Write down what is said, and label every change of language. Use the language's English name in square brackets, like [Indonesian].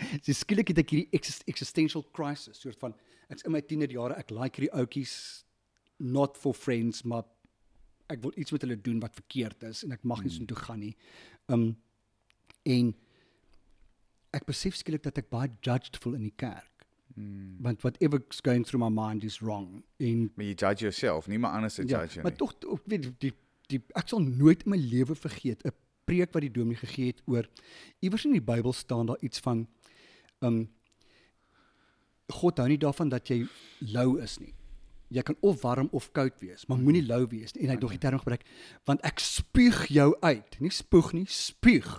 [Afrikaans] So skielik het ek hierdie existential crisis, soort van, ek's in my tienerjare, ek like hierdie oukies, [English] not for friends, [Afrikaans] maar ek wil iets met hulle doen wat verkeerd is, en ek mag nie soontoe gaan nie. En ek besef skielik dat ek baie judged voel in die kerk. [English] But whatever's going through my mind is wrong. [Afrikaans] En, maar jy judge yourself, nie maar anders judge jy nie. Maar toch, die, ek sal nooit in my lewe vergeet, 'n preek wat die dominee gegee het oor, iewers in die Bybel staan daar iets van, God hou nie daarvan dat jy lou is nie. Jy kan of warm of koud wees, maar moenie lou wees nie. En hy het nog die term gebruik, want ek spuug jou uit, nie spuug nie, spuug.